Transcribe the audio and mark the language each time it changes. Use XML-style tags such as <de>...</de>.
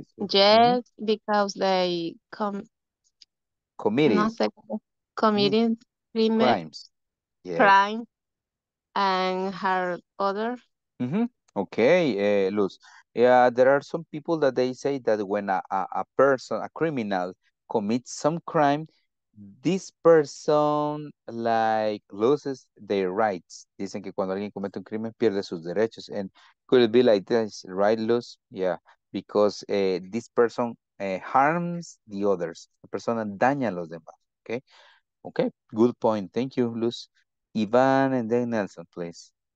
<en>Yes, because they committed. Mm-hmm. Crimes. And hurt other. Mm-hmm. Okay, Luz. Yeah, there are some people that they say that when a person, a criminal, commits some crime, this person like loses their rights.</en> <es>Dicen que cuando alguien comete un crimen pierde sus derechos.</es> <en>And could it be like this, right, Luz? Yeah, because this person harms the others.</en> <es>La persona daña a los demás.</es> <en>Okay, okay, good point. Thank you, Luz. Ivan and then Nelson, please.</en>